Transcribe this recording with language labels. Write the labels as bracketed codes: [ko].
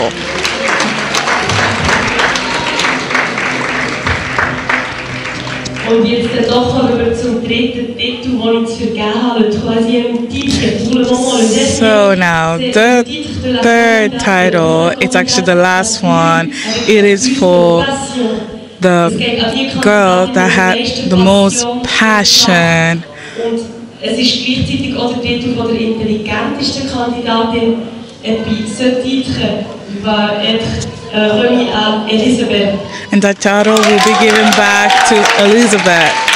[en] So now, the third title, it's actually the last one, it is for the girl that had the most passion. [de] Es ist gleichzeitig auch der Titel von der intelligentesten Kandidatin bei so Titeln, war Remy an Elisabeth. [en] And that title will be given back to Elisabeth.